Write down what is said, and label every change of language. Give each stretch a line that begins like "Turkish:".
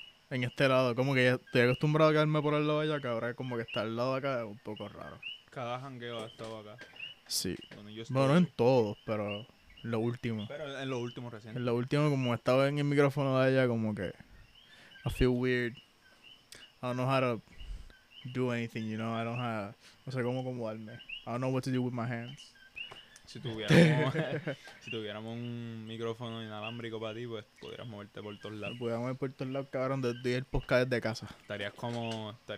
Spanish: En este lado, como que ya estoy acostumbrado a quedarme por el lado de allá, que ahora es como que estar al lado de acá es un poco raro. Cada jangueo ha estado acá. Sí. Bueno, en todos, pero en lo último. Pero en lo último recién. En lo último, como estaba en el micrófono de allá, como que.
English: I feel weird. I don't know how to do anything, you know? I don't have.
Spanish: No sé cómo acomodarme.
English: I don't know what to do with my hands.
Spanish: Si tuviéramos, si tuviéramos un micrófono inalámbrico para ti, pues pudieras moverte por todos lados. Pudieras mover por todos lados, cabrón, desde el podcast desde casa.